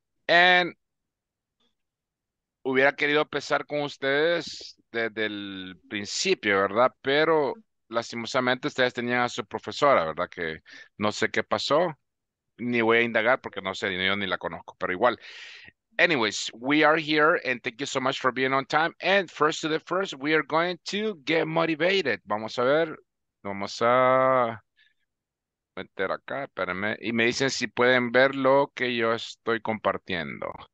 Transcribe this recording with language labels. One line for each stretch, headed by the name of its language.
Spanish: And hubiera querido empezar con ustedes desde el principio, ¿verdad? Pero lastimosamente ustedes tenían a su profesora, ¿verdad? Que no sé qué pasó, ni voy a indagar porque no sé, yo ni la conozco, pero igual.
English: Anyways, we are here and thank you so much for being on time. And first to the first, we are going to get motivated.
Spanish: Vamos a ver, vamos a meter acá, espérenme, y me dicen si pueden ver lo que yo estoy compartiendo.